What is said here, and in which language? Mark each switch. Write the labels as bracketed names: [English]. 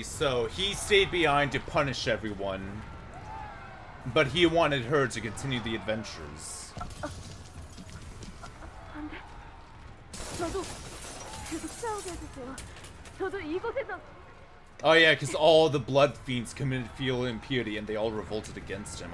[English] So he stayed behind to punish everyone, but he wanted her to continue the adventures. [Korean] 안돼. 저도 계속 싸우게 해주세요. 저도 이곳에서. [English] Oh yeah, because all the blood fiends committed filial impiety and they all revolted against him.